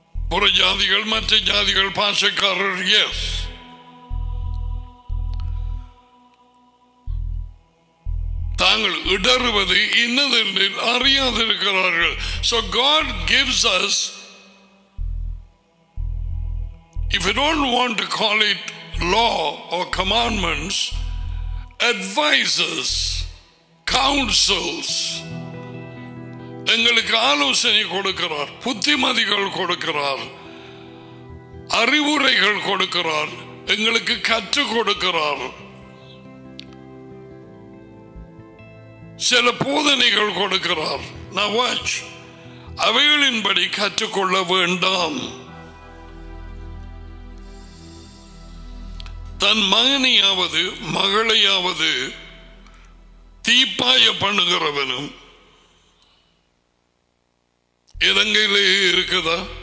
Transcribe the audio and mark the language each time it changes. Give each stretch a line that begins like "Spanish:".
Tamil: புற ஜாதிகள், மற்ற ஜாதிகள், பாஷக்காரர், எஸ், தாங்கள் இடறுவது இன்னதென்று அறியாதிருக்கிறார்கள்.
English: So God gives us, if you don't want to call it law or commandments, advices, counsels,
Tamil: எங்களுக்கு ஆலோசனை கொடுக்கிறார், புத்திமதிகள் கொடுக்கிறார், அறிவுரைகள் கொடுக்கிறார், எங்களுக்கு கற்றுக் கொடுக்கிறார், சில போதனைகள் கொடுக்கிறார். நான் வாட்ச், அவைகளின்படி கற்றுக்கொள்ள வேண்டாம். தன் மகனையாவது மகளையாவது தீப்பாய பண்ணுகிறவனும் இலங்கையிலே இருக்குதா?